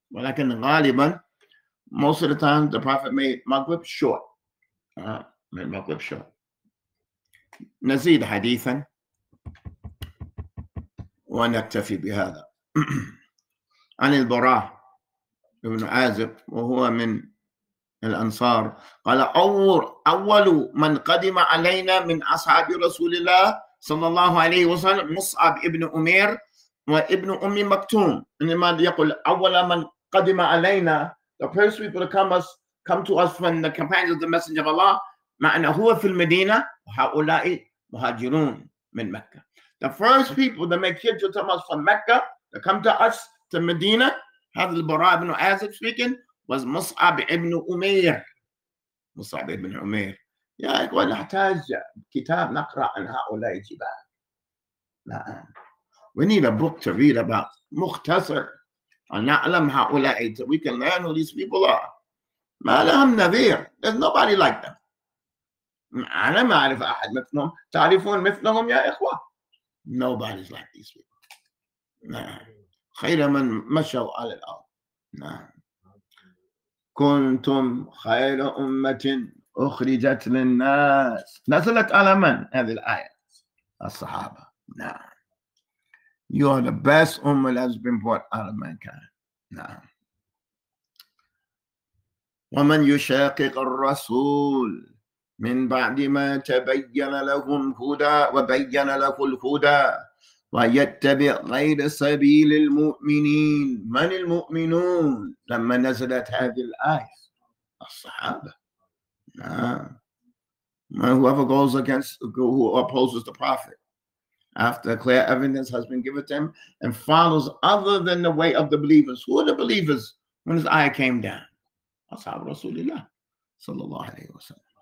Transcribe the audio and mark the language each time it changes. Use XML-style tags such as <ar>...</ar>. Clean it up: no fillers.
<ar>ولكن غالبا</ar> <en>most of the time, the Prophet made Maghrib short. Made Maghrib short.</en> <ar>نزيد حديثا. ونكتفي بهذا. عن البراء ابن عازب وهو من الأنصار قال أول من قدم علينا من أصحاب رسول الله صلى الله عليه وسلم مصعب ابن أمير وابن أم مكتوم. إنما يقول أول من قدم علينا,</ar> <en>the first people to come us, come to us from the companions of the Messenger of Allah,</en> <ar>معنى هو في المدينة وهؤلاء مهاجرون من مكة.</ar> <en>The first people that make hijrah to us from Mecca to come to us to Medina, هذا البراء بن عازب speaking, was مصعب ابن أمير.</en> <ar>مصعب ابن أمير. يا إخوة نحتاج كتاب نقرأ عن هؤلاء الجبال. لا.</ar> <en>We need a book to read about.</en> <ar>مختصر. نعلم هؤلاء.</ar> <en>We can learn who these people are.</en> <ar>ما لهم نذير.</ar> <en>There's nobody like them.</en> <ar>أنا ما أعرف أحد مثلهم. تعرفون مثلهم يا إخوة؟</ar> <en>Nobody's like these people.</en> <ar>خير من مشوا على الأرض. كنتم خير أمة أخرجت للناس. نزلت على من هذه الآية؟ الصحابة.</ar> <en>You are the best ummah that has been brought out of mankind.</en> <ar>ومن يشاقق الرسول من بعد ما تبين لهم هدى وبين له الهدى ويتبع غير سبيل المؤمنين. من المؤمنون لما نزلت هذه الآية؟ الصحابة.</ar> <en>Whoever goes against, who opposes the prophet after clear evidence has been given to him and follows other than the way of the believers. Who are the believers when his ayah came down? Ashab Rasulullah sallallahu alayhi wa sallam.</en>